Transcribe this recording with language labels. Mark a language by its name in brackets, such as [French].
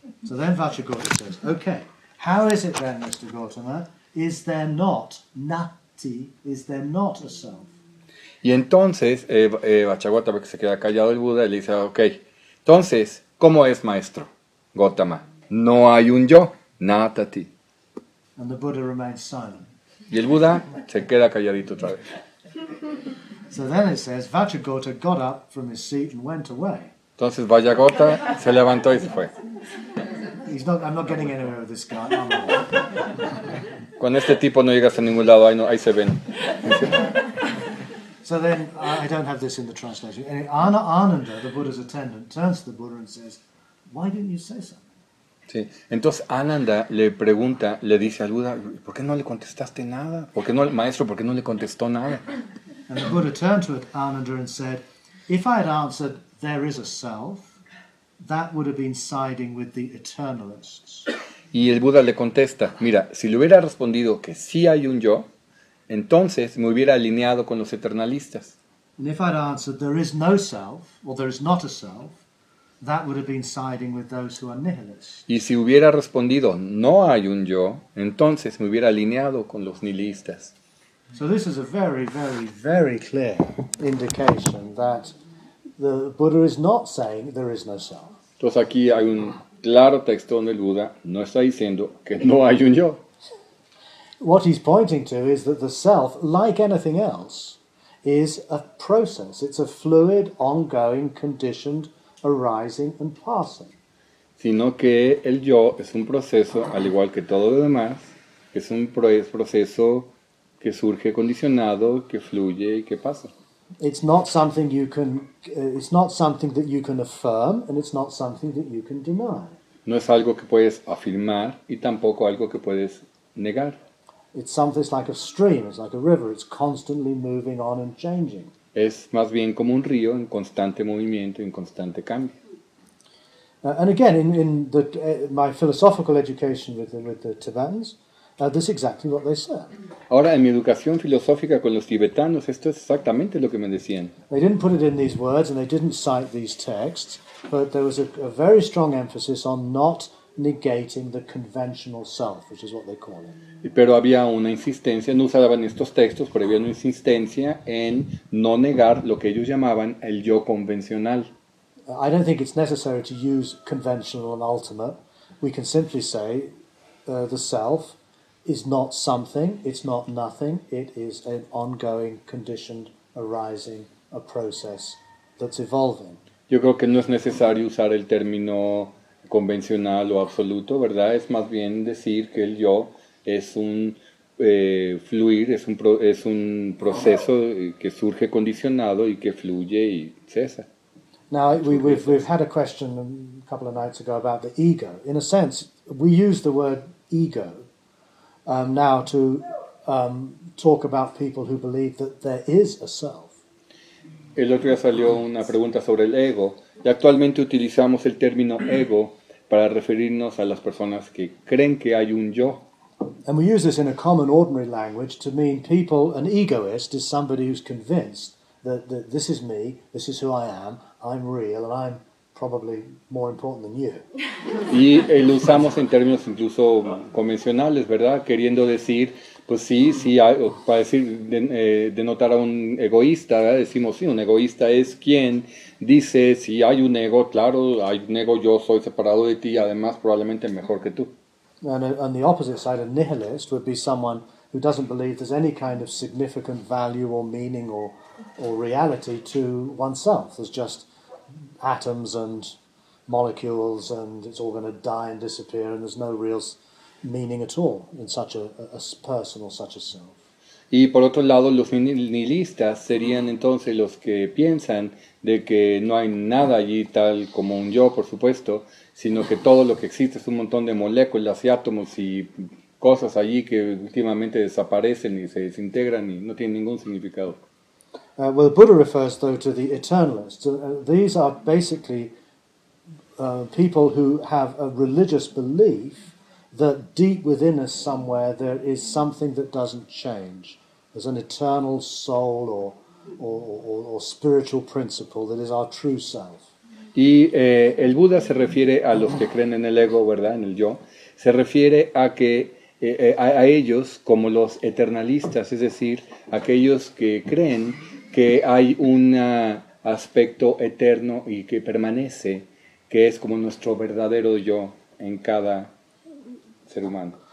[English] So then Vachagota says, okay, how is it then, Mr. Gautama? Is there not nati? Is there not a self? [Spanish] Y entonces Vachagota, porque se queda callado el Buda, le dice, okay, entonces, ¿cómo es, maestro Gautama? No hay un yo, natati. [English] And the Buddha remains silent. [Spanish] Y el Buda se queda calladito otra vez. [English] So then it says, Vachagota got up from his seat and went away. [Spanish] Entonces Vachagota se levantó y se fue. [English] I'm not getting anywhere with this guy. [Spanish] Con este tipo no llegas a ningún lado. Ahí se ven. [English] So then, I don't have this in the translation. Ananda, the Buddha's attendant, turns to the Buddha and says, why didn't you say something? [Spanish] Sí. Entonces Ananda le pregunta, le dice al Buda, ¿por qué no le contestaste nada? ¿Por qué no, maestro, por qué no le contestó nada? [English] And the Buddha turned to Ananda and said, if I had answered, there is a self, that would have been siding with the eternalists. [Spanish] Y el Buda le contesta, mira, si le hubiera respondido que sí hay un yo, entonces me hubiera alineado con los eternalistas. [English] And if I'd answered, there is no self, or there is not a self, that would have been siding with those who are nihilists. [Spanish] Y si hubiera respondido no hay un yo, entonces me hubiera alineado con los nihilistas. [English] So this is a very, very, very clear indication that the Buddha is not saying there is no self. [Spanish] Entonces aquí hay un claro texto donde el Buda no está diciendo que no hay un yo. [English] What he's pointing to is that the self, like anything else, is a process. It's a fluid, ongoing, conditioned, arising and passing. [Spanish] Sino que el yo es un proceso, al igual que todo lo demás, es un proceso que surge condicionado, que fluye y que pasa. [English] It's not something you can. It's not something that you can affirm, and it's not something that you can deny. [Spanish] No es algo que puedes afirmar y tampoco algo que puedes negar. [English] It's something like a stream. It's like a river. It's constantly moving on and changing. [Spanish] Es más bien como un río en constante movimiento, en constante cambio. [English] And again, in my philosophical education with the Tibetans. This is exactly what they said. [Spanish] Ahora, en mi educación filosófica con los tibetanos, esto es exactamente lo que me decían. [English] They didn't put it in these words and they didn't cite these texts, but there was a very strong emphasis on not negating the conventional self, which is what they call it. [Spanish] Pero había una insistencia, no usaban estos textos, pero había una insistencia en no negar lo que ellos llamaban el yo convencional. [English] I don't think it's necessary to use conventional and ultimate. We can simply say the self is not something, it's not nothing, it is an ongoing, conditioned, arising, a process that's evolving. [Spanish] Yo creo que no es necesario usar el término convencional o absoluto, ¿verdad? Es más bien decir que el yo es un fluir, es un proceso que surge condicionado y que fluye y cesa. [English] Now, we've had a question a couple of nights ago about the ego. In a sense, we use the word ego now to talk about people who believe that there is a self. [Spanish] El otro día salió una pregunta sobre el ego, y actualmente utilizamos el término ego para referirnos a las personas que creen que hay un yo. [English] And we use this in a common, ordinary language to mean people. An egoist is somebody who's convinced that this is me, this is who I am, I'm real, and I'm probably more important than you. [Spanish] Y lo usamos en términos incluso convencionales, ¿verdad? Queriendo decir, pues sí, para decir, denotar a un egoísta, ¿verdad? Decimos, sí, un egoísta es quien dice, si hay un ego, claro, hay un ego, yo soy separado de ti, además probablemente mejor que tú. [English] And the opposite side, a nihilist would be someone who doesn't believe there's any kind of significant value or meaning or reality to oneself. There's just atoms and molecules, and it's all going to die and disappear, and there's no real meaning at all in such a person or such a self. [Spanish] Y por otro lado, los nihilistas serían entonces los que piensan de que no hay nada allí tal como un yo, por supuesto, sino que todo lo que existe es un montón de moléculas y átomos y cosas allí que últimamente desaparecen y se desintegran y no tienen ningún significado. [English] Well, the Buddha refers, though, to the eternalists. These are basically people who have a religious belief that deep within us somewhere there is something that doesn't change. There's an eternal soul or spiritual principle that is our true self. [Spanish] Y el Buda se refiere a los que creen en el ego, ¿verdad?, en el yo. Se refiere a que a ellos como los eternalistas, es decir, aquellos que creen que hay un aspecto eterno y que permanece, que es como nuestro verdadero yo en cada ser humano.